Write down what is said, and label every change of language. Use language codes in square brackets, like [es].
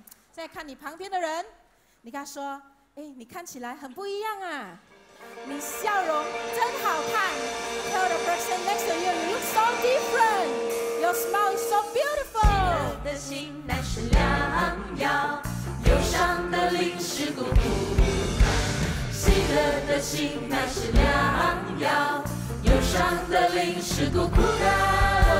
[zh] 在看你旁边的人，你跟他说，哎，你看起来很不一样啊，你笑容真好看。 [en] Tell the person next to you, you look so different. Your smile is so beautiful. [zh] 喜乐的心乃是良药，忧伤的灵是苦苦。喜乐的心乃是良药，忧伤的灵是苦苦的。